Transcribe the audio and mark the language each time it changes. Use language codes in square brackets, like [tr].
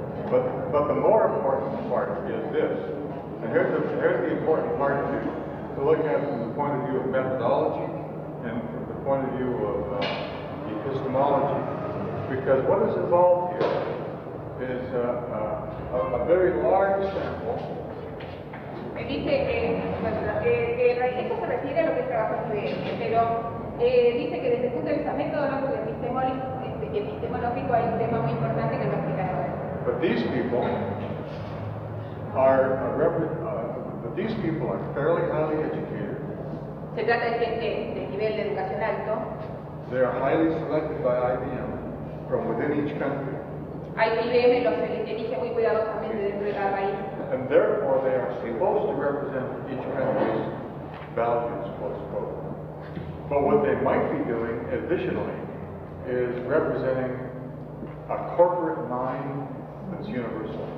[en] But the more important part is this. And here's the important part to look at from the point of view of methodology and from the point of view of epistemology. Because what is involved here is a very large sample. [es] Me dice que el proyecto se refiere a lo que trabaja en pero. Dice que desde el punto de vista metodológico y epistemológico hay un tema muy importante que no explica ahora. [en] But these people are fairly highly educated. [es] Se trata de gente de nivel de educación alto. [en] They are highly selected by IBM from within each country. [es] IBM los elige muy cuidadosamente dentro de cada país. [en] And therefore they are supposed to represent each country's values, quote unquote. But what they might be doing additionally is representing a corporate mind that's universal.